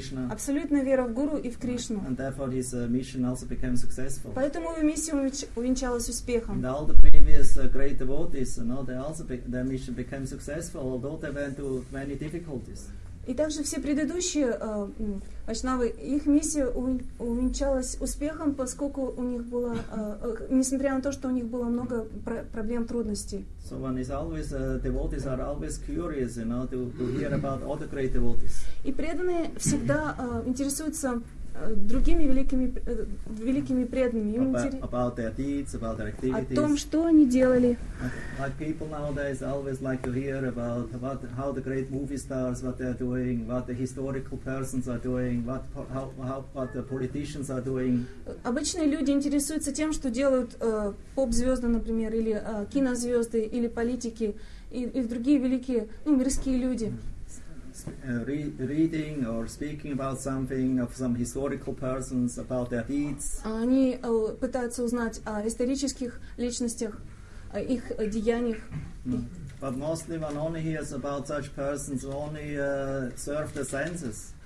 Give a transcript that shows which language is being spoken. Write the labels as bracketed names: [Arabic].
[Russian] Абсолютная вера в Гуру и в Кришну. [English] And therefore his mission also became successful. [Russian] Поэтому его миссия увенчалась успехом. [English] And all the previous great devotees, you know, their mission became successful, although they went through many difficulties. [Russian] И также все предыдущие вайшнавы, их миссия увенчалась успехом, поскольку у них было, несмотря на то, что у них было много проблем, трудностей. [English] So one is always, devotees are always curious, you know, to hear about other great devotees. [Russian] И преданные всегда интересуются другими великими, великими преданными. [English] About their deeds, about their activities. [Russian] О том, что они делали. [English] Like people nowadays always like to hear about what, how the great movie stars, what they're doing, what the historical persons are doing, what, how, what the politicians are doing. [Russian] Обычные люди интересуются тем, что делают поп-звезды, например, или кинозвезды, или политики, и другие великие, ну, мирские люди. [English] Reading or speaking about something of some historical persons about their deeds. [Russian] Они пытаются узнать о исторических личностях, их деяниях. [English] But mostly one only hears about such persons only serve the senses.